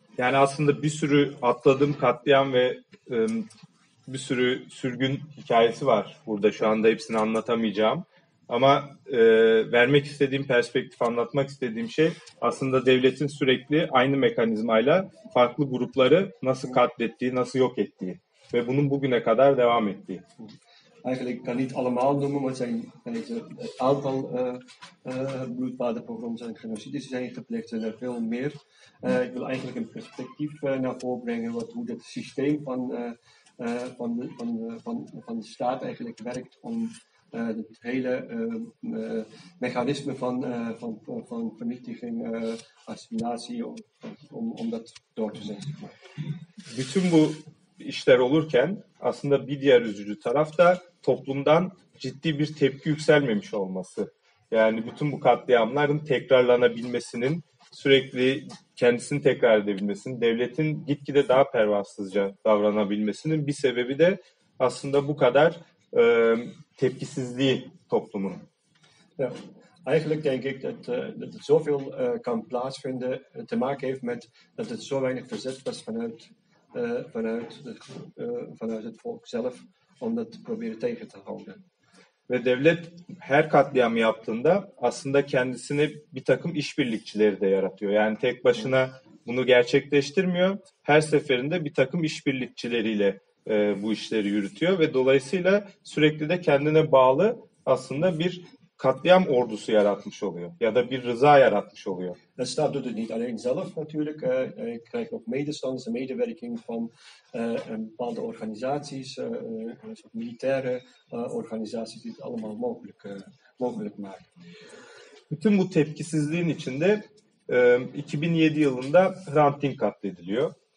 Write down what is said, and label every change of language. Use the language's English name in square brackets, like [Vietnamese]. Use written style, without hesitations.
[Turkish] Yani aslında bir sürü atladığım katliam ve bir sürü sürgün hikayesi var burada. Şu anda hepsini anlatamayacağım. Ama vermek istediğim perspektif, anlatmak istediğim şey aslında devletin sürekli aynı mekanizmayla farklı grupları nasıl katlettiği, nasıl yok ettiği ve bunun bugüne kadar devam ettiği. [Dutch] Eigenlijk kan niet allemaal noemen, maar zijn het aantal bloedbadenprogramma's en genocides die zijn gepleegd, zijn er veel meer. Ik wil eigenlijk een perspectief naar voren brengen hoe het systeem van de staat eigenlijk werkt om het hele mechanisme van vernietiging, assimilatie, om dat door te zetten. [Turkish] Bütün bu işler olurken aslında bir diğer üzücü taraf da toplumdan ciddi bir tepki yükselmemiş olması. Yani bütün bu katliamların tekrarlanabilmesinin, sürekli kendisini tekrar edebilmesinin, devletin gitgide daha pervasızca davranabilmesinin bir sebebi de aslında bu kadar tepkisizliği toplumun. [Dutch] Ja, eigenlijk denk ik dat het zoveel kan plaatsvinden te maken heeft met dat het zo weinig verzet was vanuit het volk zelf om dat te proberen tegen te houden. [Turkish] Ve devlet her katliam yaptığında aslında kendisine bir takım işbirlikçileri de yaratıyor. Yani tek başına bunu gerçekleştirmiyor. Her seferinde bir takım işbirlikçileriyle bu işleri yürütüyor. Ve dolayısıyla sürekli de kendine bağlı aslında bir katliam ordusu yaratmış oluyor. Ya da bir rıza yaratmış oluyor. [Dutch] De staat doet het niet alleen zelf natuurlijk. Ik krijg ook medestanders en medewerking van bepaalde organisaties, militaire organisaties die het allemaal mogelijk maken. [Turkish] Bütün bu tepkisizliğin içinde 2007 yılında Hrant Dink katlediliyor.